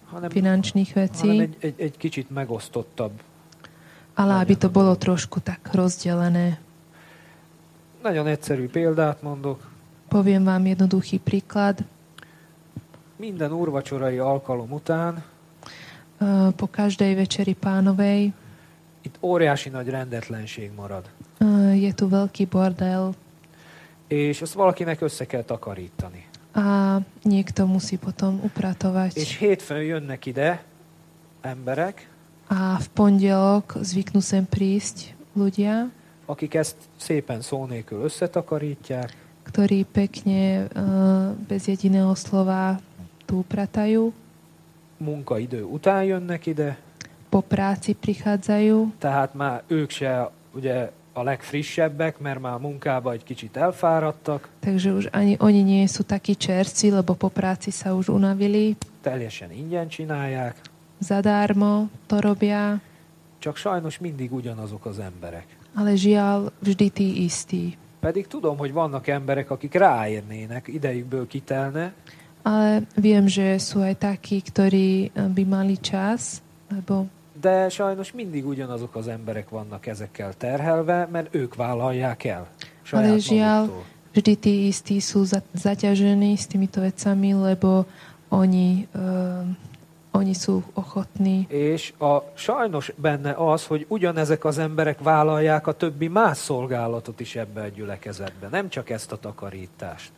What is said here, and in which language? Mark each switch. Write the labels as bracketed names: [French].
[Hungarian] hanem, [Slovak] finančných vecí. [Hungarian] Egy kicsit megosztottabb. [Slovak] Ale aby to bolo trošku tak rozdelené. [Hungarian] Nagyon egyszerű példát mondok. [Slovak] Poviem vám jednoduchý príklad. [Hungarian] Minden úrvacsorai alkalom után [Slovak] po každej večeri pánovej [Hungarian] itt óriási nagy rendetlenség marad. [Slovak] Je tu veľký bordel. [Hungarian] És azt valakinek össze kell takarítani. [Slovak] A niekto musí potom upratovať. [Hungarian] És hétfőn jönnek ide emberek. [Slovak] A v pondelok zvyknú sem prísť ľudia, [Hungarian] akik ezt szépen szó nélkül összetakarítják, [Slovak] ktorí pekne bez jediného slova tu upratajú. [Hungarian] Munkaidő után jönnek ide. [Slovak] Po práci prichádzajú. [Hungarian] Tehát már ők se ugye a legfrissebbek, mert már munkába egy kicsit elfáradtak. [Slovak] Takže už ani oni nie sú takí čerci, lebo po práci sa už unavili. [Hungarian] Teljesen ingyen csinálják. [Slovak] Zadarmo to robia. [Hungarian] Csak sajnos mindig ugyanazok az emberek. [Slovak] Ale žiaľ, vždy tí istí. [Hungarian] Pedig tudom, hogy vannak emberek, akik ráérnének, idejükből kitelne. [Slovak] Ale viem, že sú aj takí, ktorí by mali čas, lebo... [Hungarian] De sajnos mindig ugyanazok az emberek vannak ezekkel terhelve, mert ők vállalják el saját maguktól. [Slovak] Ale žiaľ, vždy tí istí sú zaťažení s týmito vecami, lebo oni... Oni sú ochotní. [Hungarian] És a sajnos benne az, hogy ugyanezek az emberek vállalják a többi más szolgálatot is ebben a gyülekezetben, nem csak ezt a takarítást.